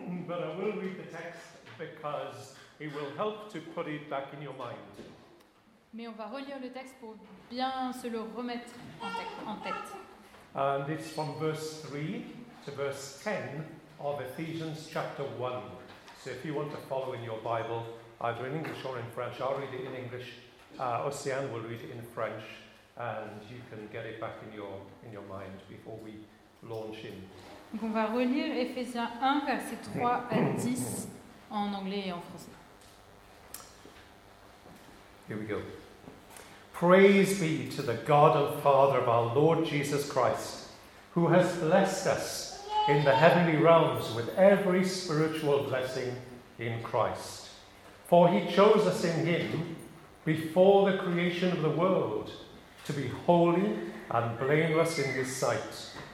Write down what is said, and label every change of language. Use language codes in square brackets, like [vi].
[en] but I will read the text because it will help to put it back in your mind. [fr] Mais on va relire le texte pour bien se le remettre en tête. [en] And it's from verse 3 to verse 10 of Ephesians chapter 1. So if you want to follow in your Bible, either in English or in French, I'll read it in English. Océane will read it in French, and you can get it back in your mind before we launch in. [fr] Donc on va relire Ephésiens 1, versets 3 à 10, en anglais et en français. [en] Here we go. Praise be to the God and Father of our Lord Jesus Christ, who has blessed us in the heavenly realms with every spiritual blessing in Christ. For he chose us in him before the creation of the world to be holy and blameless in his sight.